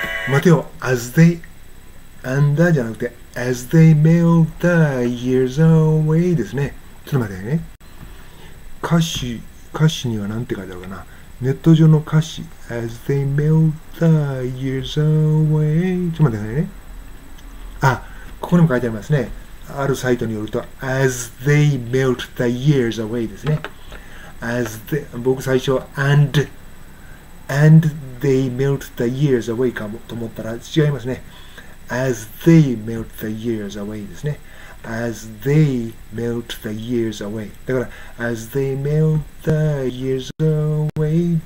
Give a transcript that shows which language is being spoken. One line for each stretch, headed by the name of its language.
Japanese: 待てよ、 as they and じゃなくて
English: as they melt the years away
Japanese: ですね。ちょっと待ってね。歌詞には何て書いてあるかな。ネット上の歌詞、
English: As they melt the years away。
Japanese: ちょっと待ってね。あ、ここにも書いてありますね。あるサイトによると、
English: As they melt the years away
Japanese: ですね。 As they、僕最初、
English: and they melt the years away
Japanese: かもと思ったら違いますね。
English: As they melt the years away
Japanese: ですね。
English: As they melt the years away. だから、As they melt the years away.